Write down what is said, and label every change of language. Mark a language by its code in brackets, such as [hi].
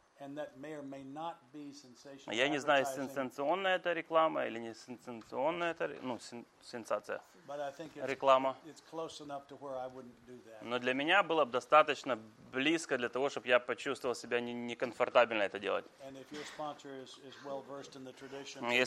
[en] And that may or may not be sensational. [ru] Я не знаю, сенсационная это реклама или не сенсационная это, ну, сенсация. [en] But I think [ru] реклама. [en] It's close enough to where I wouldn't do that. [ru] Но для меня было бы достаточно близко для того, чтобы я почувствовал себя некомфортабельно это делать. [en] And if your sponsor is well versed in the tradition.